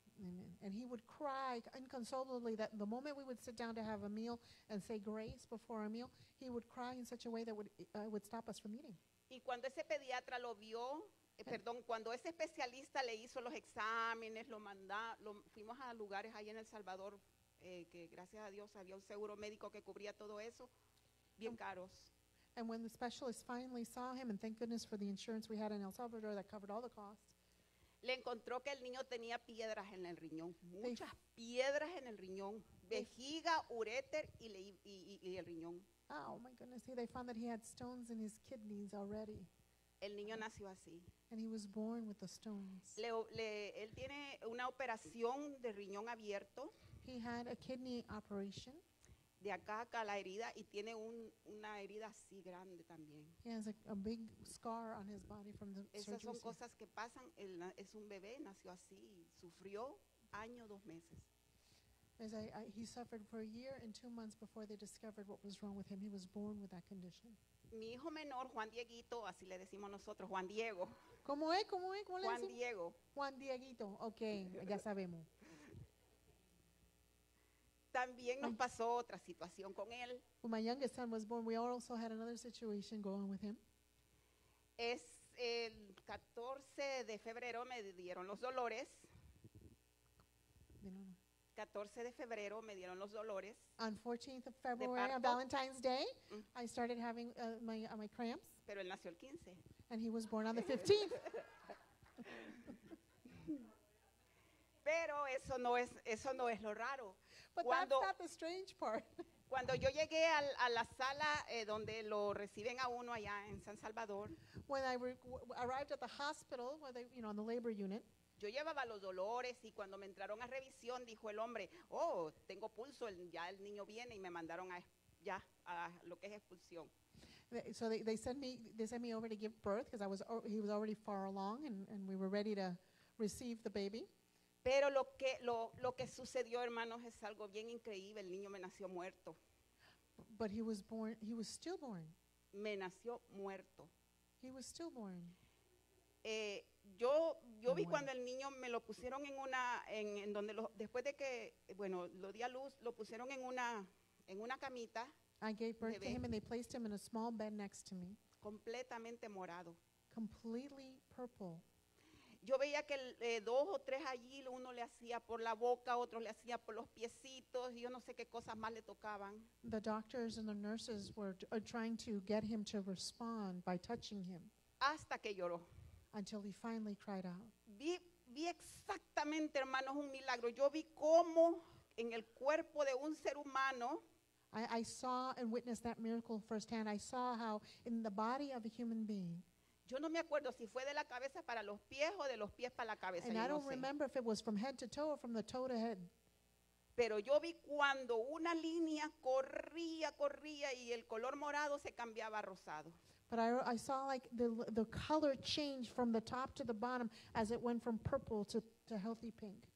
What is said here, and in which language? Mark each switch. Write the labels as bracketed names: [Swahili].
[English] Amen. And he would cry inconsolably that the moment we would sit down to have a meal and say grace before a meal, he would cry in such a way that would stop us from eating. [Spanish] Y cuando ese pediatra lo vio, cuando ese especialista le hizo los exámenes, lo fuimos a lugares ahí en El Salvador, que gracias a Dios había un seguro médico que cubría todo eso, bien caros. [English] And when the specialist finally saw him, and thank goodness for the insurance we had in El Salvador that covered all the costs, [Spanish] le encontró que el niño tenía piedras en el riñón, muchas piedras en el riñón, vejiga, ureter y el riñón. [English] Oh my goodness, they found that he had stones in his kidneys already. [Spanish] El niño nació así. [English] And he was born with the stones. [Spanish] Él tiene una operación de riñón abierto. [English] He had a kidney operation. [Spanish] De acá a acá la herida y tiene una herida así grande también. [English] He has a big scar on his body from the [Spanish] surgery. Esas son cosas que pasan. Es un bebé, nació así, sufrió año dos meses. [English] He suffered for a year and 2 months before they discovered what was wrong with him. He was born with that condition. [Spanish] Mi hijo menor, Juan Dieguito, así le decimos nosotros, Juan Diego. ¿Cómo es? ¿Cómo le decimos? Juan Diego. Juan Dieguito, okay, ya sabemos. También nos pasó otra situación con él. [English] When my youngest son was born, we also had another situation going with him. [Spanish] Es el 14 de febrero me dieron los dolores. 14 de febrero me dieron los dolores. [English] On 14th of February, on Valentine's Day, I started having my cramps. [Spanish] Pero él nació el 15. [English] And he was born on the 15th. [Spanish] Pero eso no es lo raro. [English] But that's not the strange part. [Spanish] Cuando yo llegué a la sala donde lo reciben a uno allá en San Salvador. [English] When I arrived at the hospital, where they, you know, on the labor unit. [Spanish] Yo llevaba los dolores y cuando me entraron a revisión, dijo el hombre, oh, tengo pulso, ya el niño viene, y me mandaron a ya a lo que es expulsión. [English] So they sent me over to give birth because he was already far along and we were ready to receive the baby. [Spanish] Pero lo que sucedió, hermanos, es algo bien increíble. El niño me nació muerto. [English] But he was stillborn. [Spanish] Me nació muerto. [English] He was stillborn. [Spanish] Yo vi cuando el niño me lo pusieron en una camita. [English] I gave birth to him and they placed him in a small bed next to me. [Spanish] Completamente morado. [English] Completely purple. [Spanish] Yo veía que dos o tres allí, uno le hacía por la boca, otro le hacía por los piecitos, y yo no sé qué cosas más le tocaban. [English] The doctors and the nurses were trying to get him to respond by touching him. [Spanish] Hasta que lloró. [English] Until he finally cried out. [Spanish] Vi exactamente, hermanos, un milagro. Yo vi cómo en el cuerpo de un ser humano. [English] I saw and witnessed that miracle firsthand. I saw how in the body of a human being. [Spanish] Yo no me acuerdo si fue de la cabeza para los pies o de los pies para la cabeza. [English] And I don't [Spanish] no [English] remember [Spanish] sé. [English] If it was from head to toe or from the toe to head. [Spanish] Pero yo vi cuando una línea corría y el color morado se cambiaba a rosado. [English] But I saw like the color change from the top to the bottom as it went from purple to healthy pink.